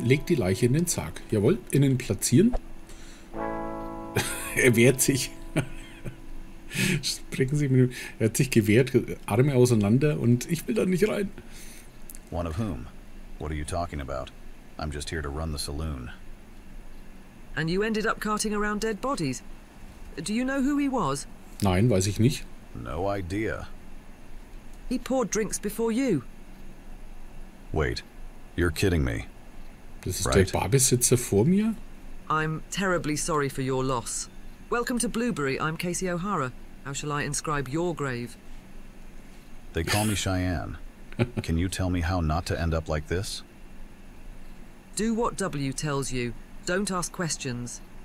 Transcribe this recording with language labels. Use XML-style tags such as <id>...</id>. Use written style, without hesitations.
<de>Leg die Leiche in den Sarg. Jawohl, innen platzieren. Er wehrt sich. Sprechen Sie mit ihm. Er hat sich gewehrt, Arme auseinander und ich will da nicht rein.</de> <en>One of whom? What are you talking about? I'm just here to run the saloon. And you ended up carting around dead bodies. Do you know who he was?</en> <de>Nein, weiß ich nicht.</de> <en>No idea. He poured drinks before you. Wait, you're kidding me.</en> <de>Das ist right? Der Barbesitzer vor mir?</de> <en>I'm terribly sorry for your loss. Welcome to Blueberry, I'm Casey O'Hara. How shall I inscribe your grave? They call me Cheyenne. Can you tell me how not to end up like this? Do what W tells you. Don't ask questions.</en>